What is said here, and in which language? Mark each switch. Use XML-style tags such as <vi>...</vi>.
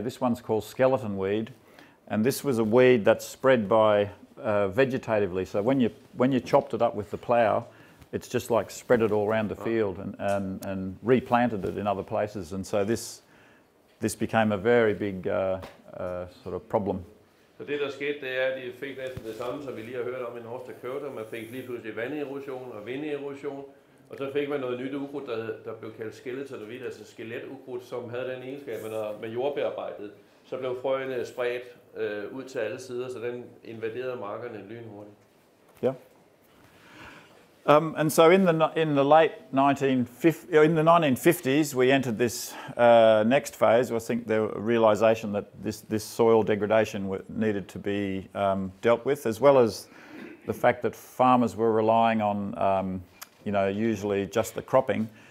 <en>This one's called skeleton weed, and this was a weed that spread by vegetatively. So when you chopped it up with the plough, it's just like spread it all around the field and replanted it in other places, and so this became a very big sort of problem.</en> <da>Så det der skete, det er, at de fik næsten det samme, som vi lige har hørt om i North Dakota. Man fik lige pludselig vanderosion og vinderosion, og så fik man noget nyt ukrudt, der blev kaldt skeleton weed, altså skeletukrudt, som havde den egenskab, at med jordbearbejdet, så blev frøene spredt ud til alle sider, så den invaderede markerne lynhurtigt. Ja.</da> <en>Yeah. And so in the 1950s, we entered this next phase. I think the realization that this soil degradation needed to be dealt with, as well as the fact that farmers were relying on, usually just the cropping.</en>